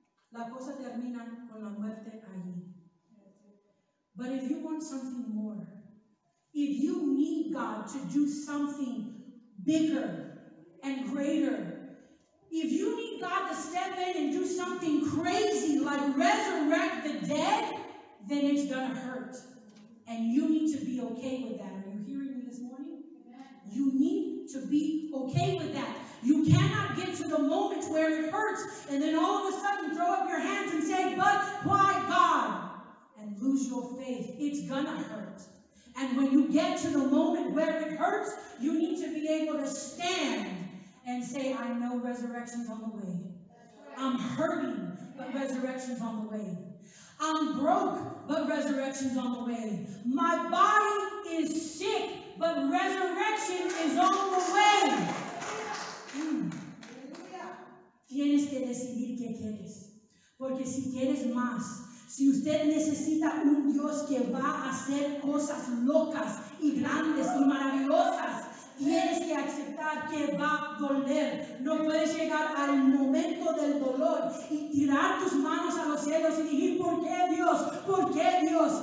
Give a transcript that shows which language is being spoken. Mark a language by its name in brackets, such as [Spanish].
[Spanish] La cosa termina con la muerte allí. [English] But if you want something more, if you need God to do something bigger and greater, if you need God to step in and do something crazy like resurrect the dead, then it's going to hurt. And you need to be okay with that. Are you hearing me this morning? You need to be okay with that. You cannot get to the moment where it hurts and then all of a sudden throw up your hands and say, but why God? And lose your faith. It's gonna hurt. And when you get to the moment where it hurts, you need to be able to stand and say, I know resurrection's on the way. I'm hurting, but resurrection's on the way. I'm broke, but resurrection's on the way. My body is sick, but resurrection is on the way. [Spanish] Tienes que decidir qué quieres. Porque si quieres más, si usted necesita un Dios que va a hacer cosas locas y grandes y maravillosas, tienes que aceptar que va a doler. No puedes llegar al momento del dolor y tirar tus manos a los cielos y decir, ¿por qué Dios? ¿Por qué Dios?